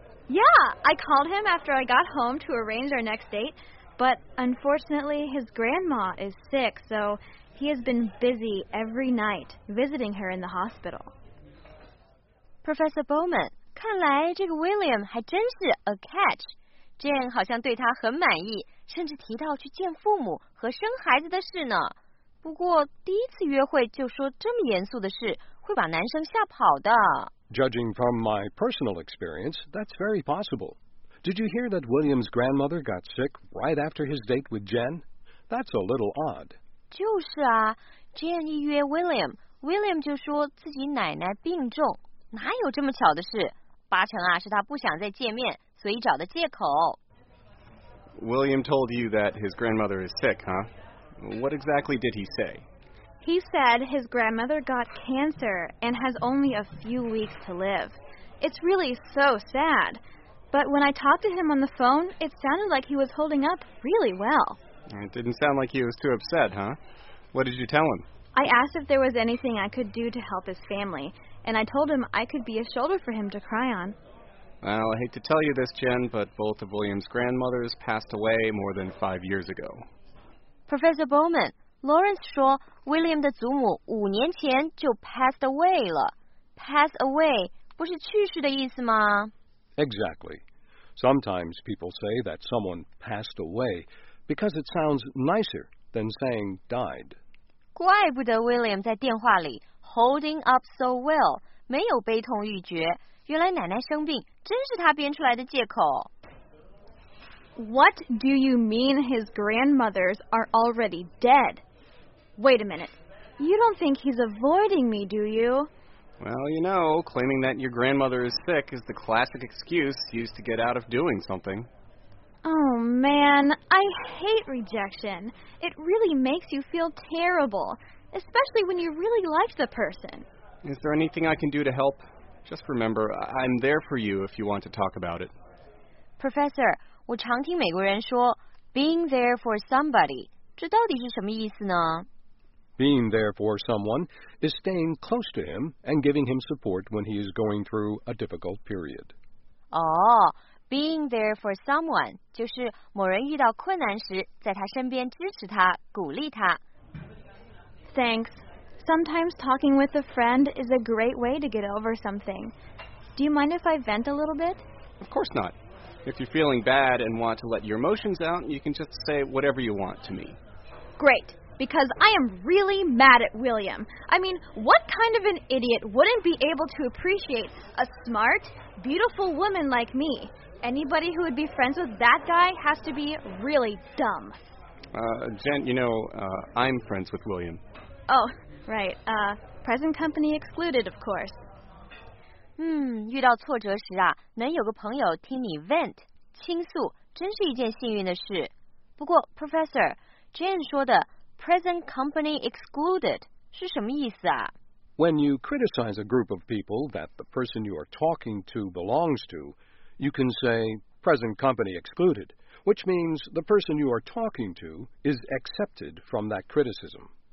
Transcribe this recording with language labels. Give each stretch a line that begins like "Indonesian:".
English: Yeah, I called him after I got home to arrange our next date, but unfortunately his grandma is sick, so he has been busy every night visiting her in the hospital.
Chinese: Professor Bowman, 看来这个 William 还真是
English: a catch.
Chinese: Jane 好像对他很满意，甚至提到去见父母和生孩子的事呢。不过第一次约会就说这么严肃的事，会把男生吓跑的。
English: Judging from my personal experience, that's very possible. Did you hear that William's grandmother got sick right after his date with Jen? That's a little odd.
Chinese: 就是啊 ,Jen 一约 William, William 就说自己奶奶病重。哪有这么巧的事？八成啊，是他不想再见面，所以找的借口。
English: William told you that his grandmother is sick, huh? What exactly did he say? He said his grandmother got cancer and has only a few weeks to live. It's really so sad. But when I talked to him on the phone, it sounded like he was holding up really well. It didn't sound like he was too upset, huh? What did you tell him? I asked if there was anything I could do to help his family, and I told him I could be a shoulder for him to cry on. Well, I hate to tell you this, Jen, but both of William's grandmothers passed away more than 5 years ago.
Chinese: Professor Bowman,Lawrence 说 William 的祖母五年前就
English: passed away
Chinese: 了。
English: Pass away
Chinese: 不是去世的意思吗？
English: Exactly. Sometimes people say that someone passed away because it sounds nicer than saying died.
Chinese: 怪不得 William 在电话里
English: holding up so well,
Chinese: 没有悲痛欲绝，原来奶奶生病真是他编出来的借口。
English: What do you mean his grandmothers are already dead? Wait a minute. You don't think he's avoiding me, do you? Well, you know, claiming that your grandmother is sick is the classic excuse used to get out of doing something. Oh, man. I hate rejection. It really makes you feel terrible, especially when you really like the person. Is there anything I can do to help? Just remember, I'm there for you if you want to talk about it.
Chinese: Professor, 我常听美国人说
English: being there for somebody,
Chinese: 这到底是什么意思呢？
English: Being there for someone is staying close to him and giving him support when he is going through a difficult period.
Chinese: Oh,
English: being there for someone
Chinese: 就是某人遇到困难时在他身边支持他，鼓励他。
English: Thanks. Sometimes talking with a friend is a great way to get over something. Do you mind if I vent a little bit? Of course not. If you're feeling bad and want to let your emotions out, you can just say whatever you want to me. Great. Because I am really mad at William. I mean, what kind of an idiot wouldn't be able to appreciate a smart, beautiful woman like me? Anybody who would be friends with that guy has to be really dumb. Jen, you know, I'm friends with William. Oh, right. Present company excluded, of course.
Chinese: 遇到挫折时啊，能有个朋友听你 vent, 倾诉，真是一件幸运的事。不过 Professor, Jen 说的
English: Present company excluded
Chinese: 是什么意思啊?
English: When you criticize a group of people that the person you are talking to belongs to, you can say present company excluded, which means the person you are talking to is excepted from that criticism.